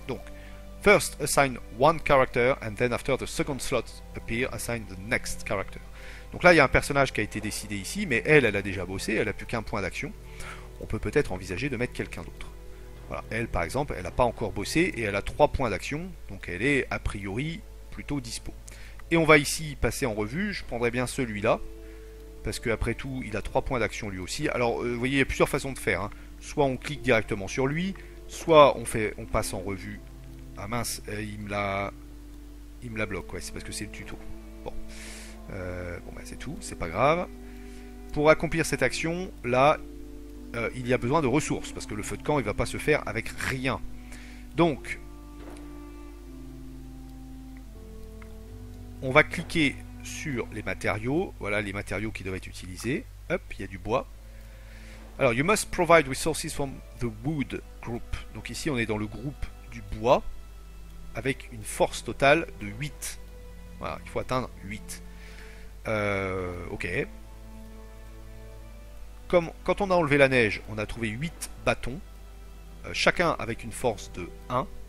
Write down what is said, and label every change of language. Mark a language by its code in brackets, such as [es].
[en] Donc, first assign one character, and then after the second slot appear, assign the next character. [fr] Donc là, il y a un personnage qui a été décidé ici, mais elle, elle a déjà bossé, elle n'a plus qu'un point d'action. On peut peut-être envisager de mettre quelqu'un d'autre. Voilà. Elle, par exemple, elle n'a pas encore bossé et elle a 3 points d'action, donc elle est a priori plutôt dispo. Et on va ici passer en revue, je prendrais bien celui-là, parce qu'après tout, il a 3 points d'action lui aussi. Alors, vous voyez, il y a plusieurs façons de faire, hein. Soit on clique directement sur lui, soit on passe en revue. Ah mince, il me la bloque, ouais, c'est parce que c'est le tuto. Bon, bah c'est tout, c'est pas grave. Pour accomplir cette action, là, il y a besoin de ressources, parce que le feu de camp, il va pas se faire avec rien. Donc, on va cliquer sur les matériaux. Voilà les matériaux qui doivent être utilisés. Hop, il y a du bois. [en] Alors, you must provide resources from the wood group. [fr] Donc ici, on est dans le groupe du bois. Avec une force totale de 8. Voilà, il faut atteindre 8. Ok. Quand on a enlevé la neige, on a trouvé 8 bâtons. Chacun avec une force de 1.